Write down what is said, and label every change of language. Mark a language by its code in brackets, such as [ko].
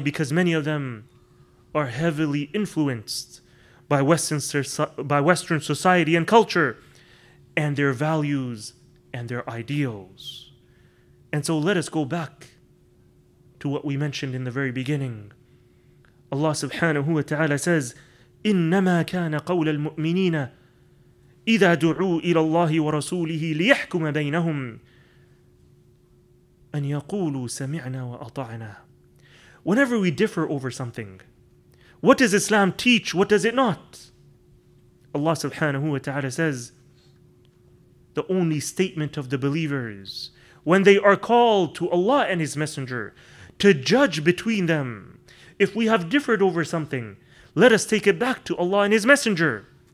[en] Because many of them are heavily influenced by Western society and culture and their values and their ideals. And so let us go back to what we mentioned in the very beginning. [ar] Allah subhanahu wa ta'ala says, إِنَّمَا كَانَ قَوْلَ الْمُؤْمِنِينَ إِذَا دُعُوا إِلَى اللَّهِ وَرَسُولِهِ لِيَحْكُمَ بَيْنَهُمْ أَنْ يَقُولُوا سَمِعْنَا وَأَطَعْنَا. [en] Whenever we differ over something, what does Islam teach? What does it not? Allah subhanahu wa ta'ala says, the only statement of the believers when they are called to Allah and His Messenger to judge between them, if we have differed over something, let us take it back to Allah and His Messenger.